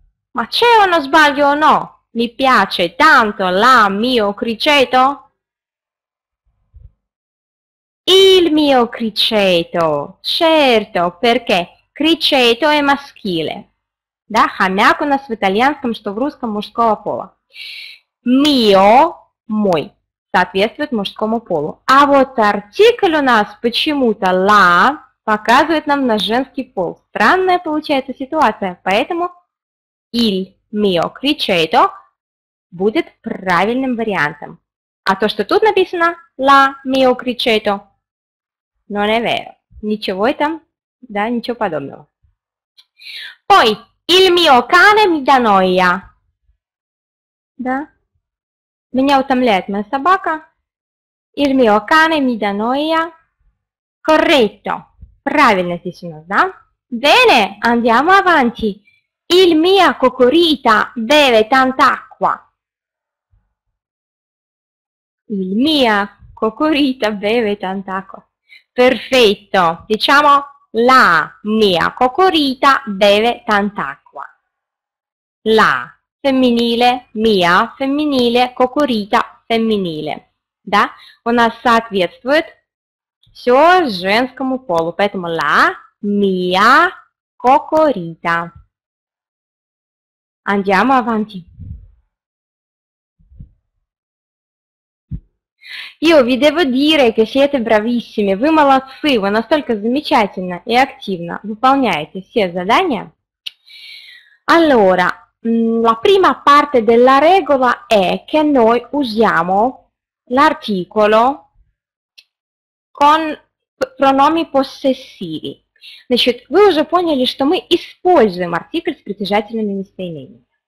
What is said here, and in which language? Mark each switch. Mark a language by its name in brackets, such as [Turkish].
[Italian] Ma c'è uno sbaglio o no? Mi piace tanto la mio criceto? Il mio criceto. Certo, perché criceto è maschile. [Russian] Da хомяк у нас в итальянском, что в русском мужского пола. Mio, мой, соответствует мужскому полу. А вот артикль у нас почему-то la показывает нам на женский пол. Странная получается ситуация, поэтому [Italian] il mio criceto [Russian] будет правильным вариантом. А то, что тут написано [Italian] la mio criceto, non è vero. [Russian] Ничего там, да, ничего подобного. [Italian] Poi, il mio cane mi dà noia. [Russian] Да? Меня утомляет моя собака. [Italian] Il mio cane mi dà noia. Corretto. [Russian] Правильно здесь у нас, да? [Italian] Bene, andiamo avanti. Il mio cocorita beve tanta acqua. Il mio cocorita beve tanta acqua. Perfetto. Diciamo la mia cocorita beve tanta acqua. La femminile, mia femminile, cocorita femminile. [Russian] Да? У нас соответствует все женскому полу, поэтому [Italian] la mia cocorita. Andiamo avanti. Io vi devo dire che siete bravissime, voi [Russian] молодцы, [Italian] voi [Russian] настолько замечательно и активно выполняете все задания. [Italian] Allora, la prima parte della regola è che noi usiamo l'articolo con pronomi possessivi. [Russian] Значит, вы уже поняли, что мы используем артикль с притяжательными местоимениями.